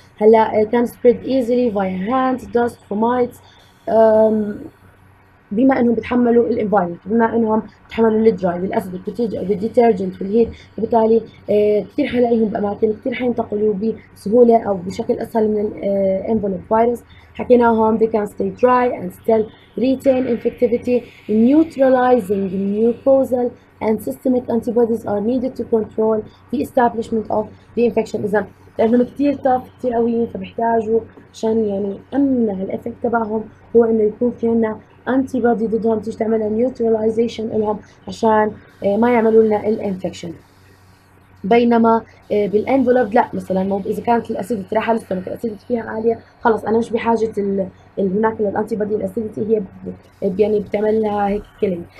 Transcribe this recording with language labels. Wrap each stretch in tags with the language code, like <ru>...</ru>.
<ar>هلا</ar> <en>can spread easily via hands, dust, fomites.</en> <ar>بما انهم بتحملوا الانفايرمنت، بما انهم بتحملوا الدراي الاسيد والديترجنت والهيت، وبالتالي كثير حيلاقيهم باماكن كثير حينتقلوا بسهوله او بشكل اسهل من الانفلوب فايروس. حكيناهم</ar> <en>they can stay dry and still retain infectivity, neutralizing mucosal and systemic antibodies are needed to control the establishment of the infection.</en> <ar>اذا لانهم كثير تاف كثير قويين، فبحتاجوا عشان يعني امن الافكت تبعهم هو انه يكون في عندنا انتي بودي ضدهم تيجي تعملها نيوتراليزيشن لهم عشان ما يعملوا لنا الانفكشن. بينما بالانفلوب لا، مثلا اذا كانت الاسيدتي راحه لسه مثلا الاسيدتي فيها عاليه، خلص انا مش بحاجه هناك للانتي بودي، الاسيدتي هي يعني بتعمل لها هيك كلين.</ar>